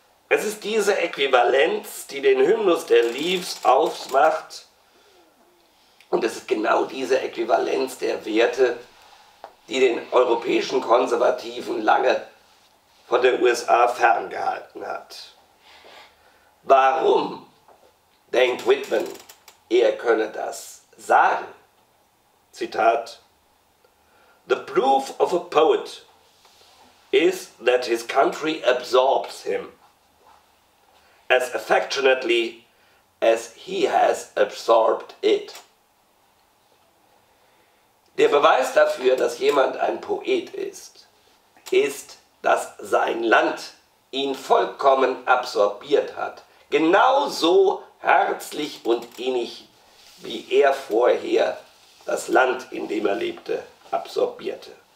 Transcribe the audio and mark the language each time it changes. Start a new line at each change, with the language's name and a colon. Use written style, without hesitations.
German: Es ist diese Äquivalenz, die den Hymnus der Leaves ausmacht, und es ist genau diese Äquivalenz der Werte, die den europäischen Konservativen lange von den USA ferngehalten hat. Warum, denkt Whitman, er könne das sagen?
English: Zitat: The proof of a poet is that his country absorbs him as affectionately as he has absorbed it.
German: Der Beweis dafür, dass jemand ein Poet ist, ist, dass sein Land ihn vollkommen absorbiert hat. Genauso herzlich und innig, wie er vorher das Land, in dem er lebte, absorbierte.